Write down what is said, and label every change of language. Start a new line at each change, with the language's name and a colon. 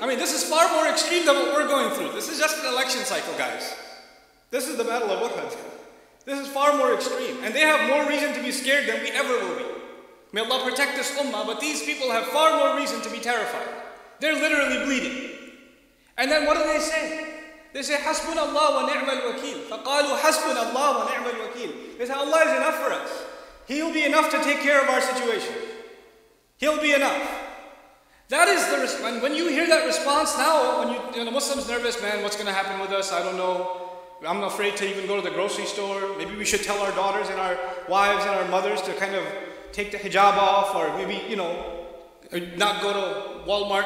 English: I mean, this is far more extreme than what we're going through. This is just an election cycle, guys. This is the Battle of Uhud. This is far more extreme. And they have more reason to be scared than we ever will be. May Allah protect this ummah, but these people have far more reason to be terrified. They're literally bleeding. And then what do they say? They say,
Arabic: حَسْبُنَ اللَّهُ وَنِعْمَ الْوَكِيلُ. فَقَالُوا حَسْبُنَ اللَّهُ وَنِعْمَ الْوَكِيلُ.
English: They say, Allah is enough for us. He'll be enough to take care of our situation. He'll be enough. That is the response. When you hear that response now, when you know, the Muslim's nervous, man, what's going to happen with us? I don't know. I'm afraid to even go to the grocery store. Maybe we should tell our daughters and our wives and our mothers to kind of take the hijab off, or maybe, you know, not go to Walmart.